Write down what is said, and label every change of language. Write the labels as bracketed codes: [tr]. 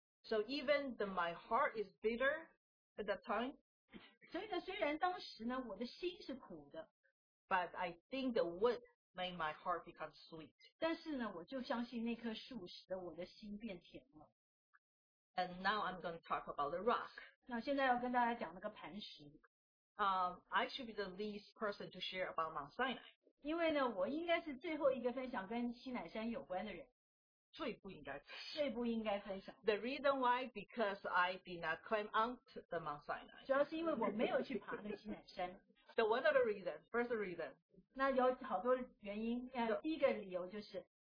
[en] So even the my heart is bitter at that time. [zh] 所以呢，虽然当时呢，我的心是苦的。 [en] But I think the wood made my heart become sweet. [zh] 但是呢，我就相信那棵树使得我的心变甜了。 [en] And now I'm going to talk about the rock. [zh] 那现在要跟大家讲那个磐石。 [en] I should be the least person to share about Mount Sinai. [zh] 因为呢，我应该是最后一个分享跟西乃山有关的人。最不应该分享。 [en] The reason why, because I did not climb onto the Mount Sinai. [zh] 主要是因为我没有去爬那个西乃山。 [en] So one of the reasons, first reason. [zh] 那有好多原因, [en] so, [zh] 第一个理由就是,